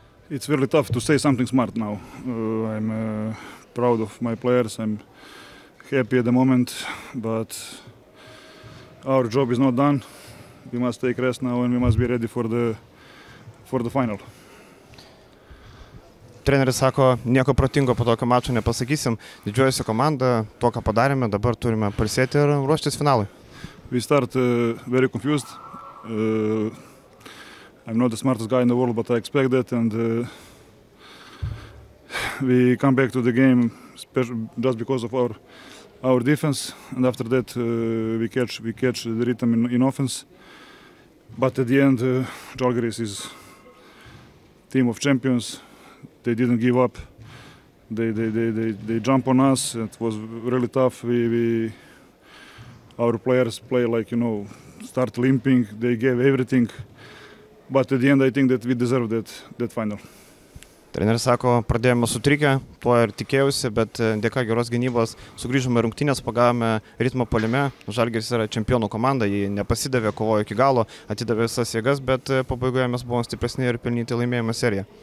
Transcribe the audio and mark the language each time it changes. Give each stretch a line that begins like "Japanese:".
English: It's really tough to say something smart now. I'm proud of my players. I'm happy at the moment, but our job is not done. We must take rest now and we must be ready for the final.
Lithuanian: Treneris sako, nieko protingo po tokio mačo nepasakysim. Didžiuojasi komanda, to ką padarėme, dabar turime pailsėti ir ruoštis finalui.
English: We start very confused. I'm not the smartest guy in the world, but I expect that, and we come back to the game just because of our defense, and after that we catch the rhythm in offense. But at the end, Žalgiris is team of champions. They didn't give up. They jump on us. It was really tough. Our players play like, you know, start limping. They gave everything. But at the end, I think that we deserve that final.
Lithuanian: Treneris sako, pradėjome sutrikę, tuo ir tikėjusi, bet dėka geros gynybos sugrįžome rungtynės, pagavome ritmo polime. Žalgiris yra čempionų komanda, jį nepasidavė, kovojo iki galo, atidavė visas jėgas, bet pabaigoje mes buvome stipresni ir pelnyti laimėjimą seriją.